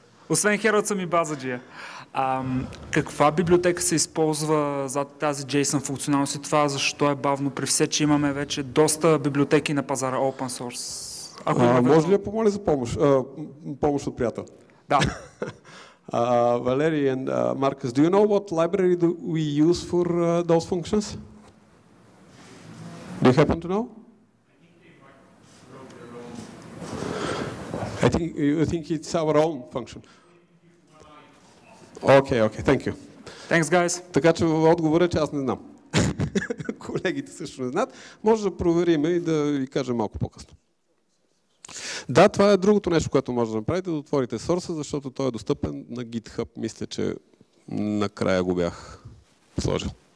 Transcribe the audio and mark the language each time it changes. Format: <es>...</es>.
<bg>Освен Herald съм и Bazagia. Каква библиотека се използва за тази JSON функционалност и това защо е бавно, при все, че имаме вече доста библиотеки на пазара open source? Ако може ли да помоля за помощ? Помощ от приятел. Да.</bg> <en>Валери and Marcus, do you know what library do we use for those functions? Do you happen to know? I think it's our own function. Okay, thank you. Thanks, guys.</en> <bg>Така че отговора, че аз не знам. Колегите също не знаят. Може да проверим и да ви кажем малко по-късно. Да, това е другото нещо, което може да направите, да отворите сорса, защото той е достъпен на GitHub. Мисля, че накрая го бях сложил.</bg>